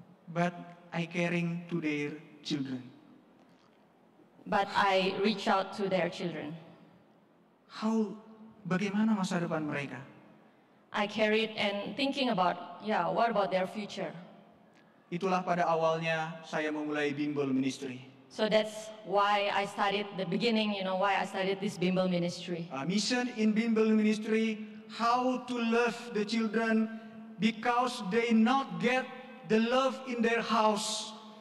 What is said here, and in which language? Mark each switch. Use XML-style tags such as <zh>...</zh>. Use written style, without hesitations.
<en>But I caring to their children. But I reach out to their children.</en> <id>How, bagaimana masa depan mereka?</id> <en>I carried and thinking about, yeah, what about their future?</en> <id>Itulah pada awalnya saya memulai bimbel ministry.</id> <en>So that's why I started the beginning, you know, why I started this bimbel ministry. A mission in bimbel ministry, how to love the children because they not get the love in their house.</en>